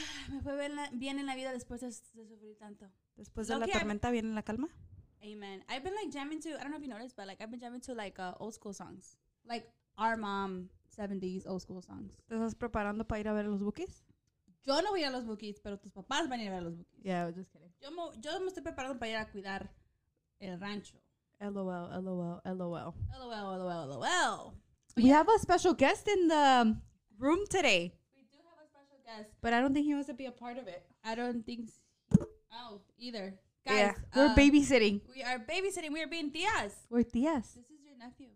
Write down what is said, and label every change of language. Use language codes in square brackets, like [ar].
[es] Me fue bien en la vida después de sufrir tanto. Después de la tormenta viene la calma. Amen. [en] I've been like jamming to, I don't know if you noticed, but like I've been jamming to like old school songs. Like our mom, 70s old school songs. [es] ¿Te estás preparando para ir a ver los Bukis? Yo no voy a los Bukis, pero tus papás van a ir a ver los Bukis. [en] Yeah, I was just kidding. [es] Yo me estoy preparando para ir a cuidar el rancho. [en] LOL, LOL, LOL. LOL, LOL, LOL. But we have a special guest in the room today. Guess. But I don't think he wants to be a part of it. I don't think either. Guys, yeah, we're babysitting. We are babysitting. We are being tías. We're tías. This is your nephew.